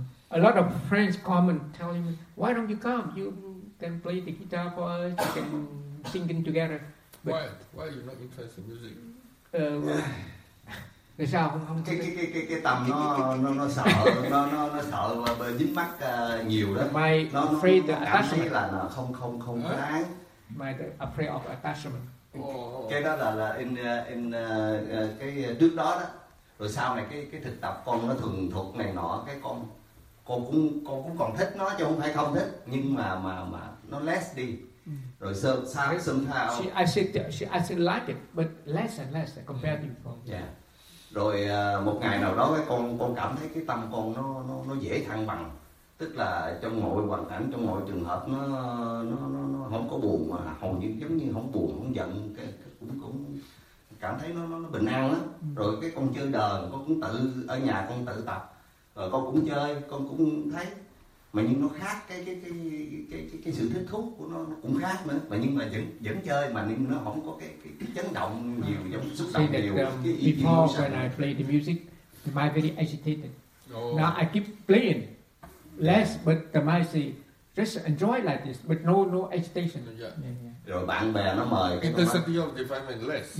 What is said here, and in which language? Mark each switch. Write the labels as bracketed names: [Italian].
[English] A lot of friends come and tell him, why don't you come? You can play the guitar for us, you can sing in together. But, why are you not interested in music? [Vietnamese] Tại sao không cái tầm nó sợ nó sợ dính mắc nhiều đó. [English] My [Vietnamese] nó [English] afraid the [Vietnamese] attachment là không đáng. [English] My afraid of attachment. [Vietnamese] Cái đó là in cái trước đó. Rồi sau này cái thực tập con nó thường thuộc này nọ, cái con cũng còn thích nó chứ không phải không thích, nhưng mà nó less đi. Rồi somehow [English] I said like it but less and less compared to before. Yeah. [Vietnamese] Rồi một ngày nào đó con cảm thấy cái tâm con nó dễ thăng bằng, tức là trong mọi hoàn cảnh, trong mọi trường hợp nó không có buồn, mà hầu như giống như không buồn không giận, cũng cảm thấy nó bình an lắm. Rồi cái con chơi đờn, con cũng tự ở nhà con tự tập, rồi con cũng chơi, con cũng thấy, mà nhưng nó khác cái sự thích thú của nó cũng khác nữa, mà nhưng mà vẫn chơi, mà nhưng nó không có cái chấn động nhiều, giống xúc động nhiều. [English] Cái before emotion. When I play the music, the mind very agitated. Oh. Now I keep playing less, but the mind say just enjoy like this, but no agitation. Yeah. [Vietnamese] Rồi bạn bè nó mời [English] intensity of defining less.